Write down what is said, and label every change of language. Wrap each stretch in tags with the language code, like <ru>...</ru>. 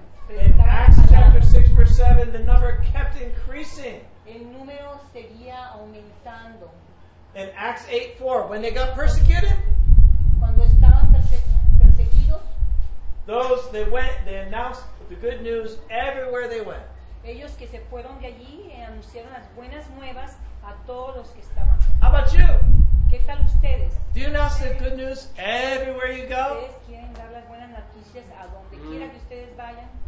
<en>in Acts chapter 6 verse 7, the number kept increasing.</en> <es>El número seguía aumentando.</es> <en>In Acts 8:4, when they got persecuted,</en> <es>cuando estaban perseguidos,</es> <en>those they went, they announced the good news everywhere they went.</en> <es>Ellos que se fueron de allí anunciaron las buenas nuevas a todos los que estaban.</es> <en>How about you?</en> <es>¿Qué tal ustedes?</es> <en>Do you announce the good news everywhere you go?</en> <es>¿Ustedes quieren dar las buenas noticias a donde quiera que ustedes vayan?</es>